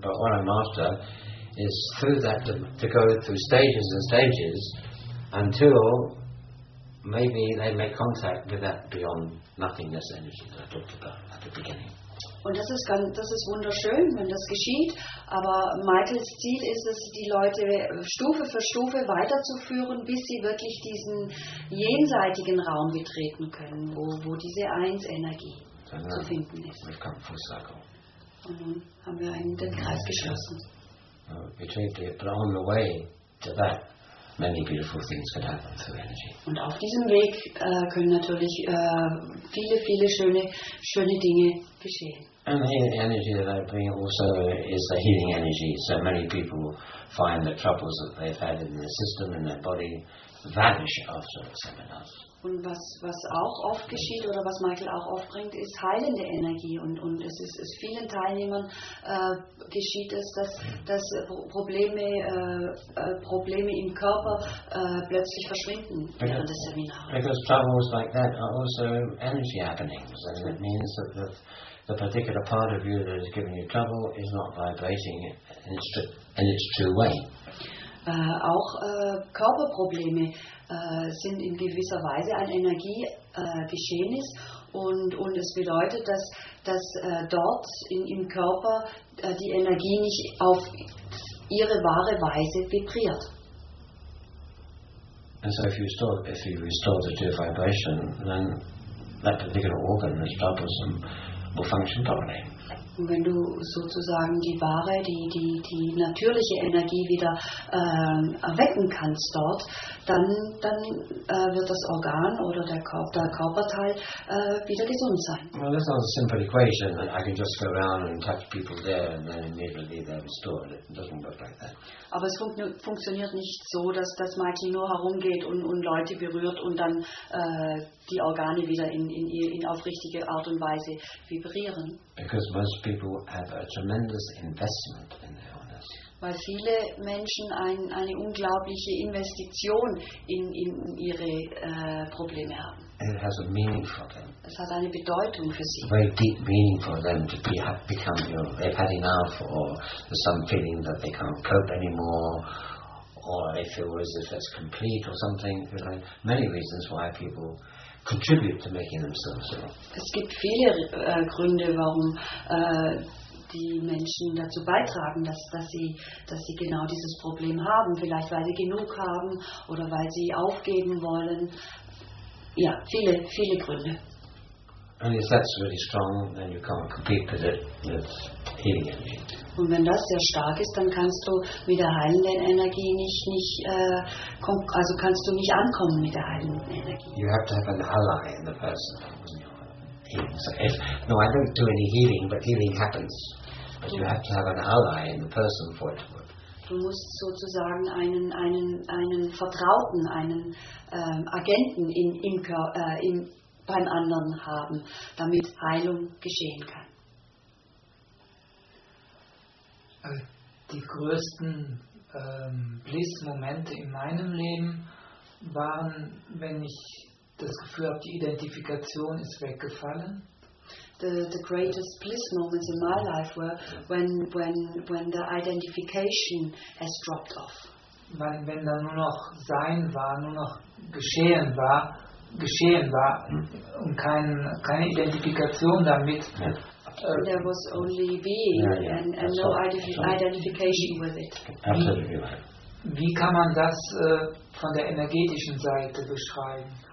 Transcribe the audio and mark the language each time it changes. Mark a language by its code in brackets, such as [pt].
[en] But what I'm after is through that to go through stages and stages until maybe they make contact with that beyond nothingness energy that I talked about at the beginning. [de] Und das ist wunderschön, wenn das geschieht, aber Michaels Ziel ist es, die Leute Stufe für Stufe weiterzuführen, bis sie wirklich diesen jenseitigen Raum betreten können, wo diese Eins-Energie zu finden ist. [en] We've come full circle. [de] Und nun haben wir einen den Kreis geschlossen. [en] But on the way to that, many beautiful things can happen through energy. [de] Und auf diesem Weg können natürlich viele, viele schöne Dinge geschehen. [en] And the energy that I bring also is a healing energy. So many people find the troubles that they've had in their system, in their body, vanish after the seminars. [de] Und was auch oft geschieht oder was Michael auch oft bringt, ist heilende Energie. Und es ist es vielen Teilnehmern geschieht es, dass Probleme im Körper plötzlich verschwinden während des Seminars. [en] Because troubles like that are also energy happenings, and it means that the particular part of you that is giving you trouble is not vibrating in its true way. [de] Auch Körperprobleme sind in gewisser Weise ein Energiegeschehnis und es bedeutet, dass dort im Körper die Energie nicht auf ihre wahre Weise vibriert. [en] And so if you restore the true vibration, then that particular organ is troublesome. [de] Und wenn du sozusagen die wahre, die natürliche Energie wieder erwecken kannst dort, dann wird das Organ oder der Körperteil wieder gesund sein. [en] Well, that's not a simple equation that I can just go around and touch people there and then immediately they're restored. It doesn't work like that. [de] Aber es funktioniert nicht so, dass Michael nur herumgeht und Leute berührt und dann die Organe wieder in auf richtige Art und Weise vibrieren. [en] Because most people have a tremendous investment in their illness. [de] Weil viele Menschen eine unglaubliche Investition in ihre Probleme haben. [en] It has a meaning for them. [de] Es hat eine Bedeutung für sie. [en] A very deep meaning for them to become ill. They've had enough, or there's some feeling that they can't cope anymore, or they feel as if that's complete or something. There are many reasons why people contribute to making themselves ill. [de] Es gibt viele Gründe, warum die Menschen dazu beitragen, dass sie genau dieses Problem haben. Vielleicht weil sie genug haben oder weil sie aufgeben wollen. Ja, viele, viele Gründe. [en] And if that's really strong, then you can't compete with it with healing energy. [de] Und wenn das sehr stark ist, dann kannst du mit der heilenden Energie nicht ankommen mit der heilenden Energie. [en] You have to have an ally in the person when you're healing. So if, no, I don't do any healing, but healing happens. But you have to have an ally in the person for it to work. [de] Du musst sozusagen einen Vertrauten, einen Agenten beim anderen haben, damit Heilung geschehen kann. Die größten Bliss-Momente in meinem Leben waren, wenn ich das Gefühl habe, die Identifikation ist weggefallen. [en] The greatest bliss moments in my life were when the identification has dropped off. [de] Wenn da nur noch Sein war, nur noch Geschehen war und keine Identifikation damit. [en] There was only being and no identification with it. Absolutely right. [de] Wie kann man das von der energetischen Seite beschreiben?